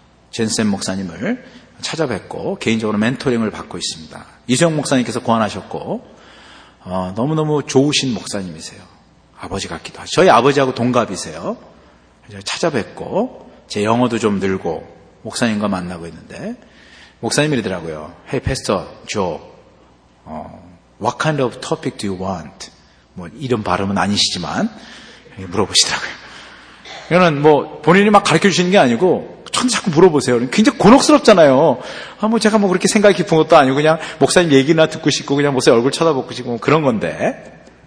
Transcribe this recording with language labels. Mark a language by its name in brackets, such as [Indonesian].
[Korean] 젠센 목사님을 찾아뵙고 개인적으로 멘토링을 받고 있습니다. 이수영 목사님께서 고안하셨고 너무너무 좋으신 목사님이세요. 아버지 같기도 하죠. 저희 아버지하고 동갑이세요. 찾아뵙고 제 영어도 좀 늘고 목사님과 만나고 있는데 목사님이더라고요. [English] Hey, Pastor Joe, what kind of topic do you want? [Korean] 뭐 이런 발음은 아니시지만 물어보시더라고요. 이거는 뭐 본인이 막 가르쳐주시는 게 아니고 저한테 자꾸 물어보세요. 굉장히 곤혹스럽잖아요. 아, 뭐 제가 뭐 그렇게 생각이 깊은 것도 아니고 그냥 목사님 얘기나 듣고 싶고 그냥 목사님 얼굴 쳐다보고 싶고 그런 건데.